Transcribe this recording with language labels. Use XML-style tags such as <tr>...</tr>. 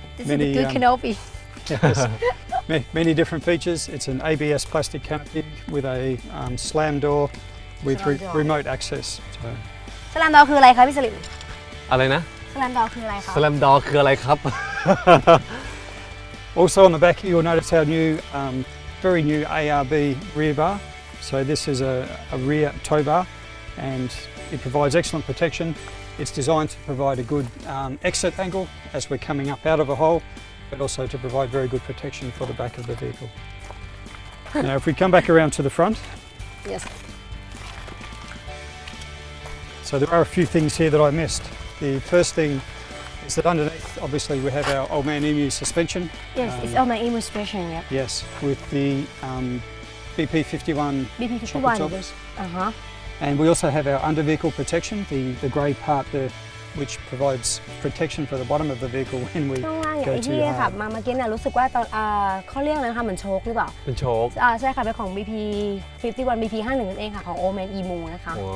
<en>many this is a good canopy many different features it's an ABS plastic canopy with a slam doorWith remote access.</en> <th>Slam door คืออะไรครับพี่สลิม อะไรนะ Slam door คืออะไรครับ Slam door คืออะไรครับ</th> <en>Also on the back, you'll notice our new, very new ARB rear bar. So this is a rear tow bar, and it provides excellent protection. It's designed to provide a good exit angle as we're coming up out of a hole, but also to provide very good protection for the back of the vehicle. Now, if we come back around to the front, yes. So there are a few things here that I missed. The first thing is that underneath, obviously, we have our old man emu suspension. Yes, it's old man emu suspension, yep. Yes, with the BP51 chopper toggles. And we also have our under vehicle protection, the grey part there, which provides protection for the bottom of the vehicle when we go too hard.</en> <th>ค่ะมาเมื่อกี้เนี่ยรู้สึกว่าตอนข้อเรียกนะคะเหมือนโชคหรือเปล่า เป็นโชค ใช่ค่ะเป็นของ BP51 BP51 นั่นเองค่ะของ old man emu นะคะ</th>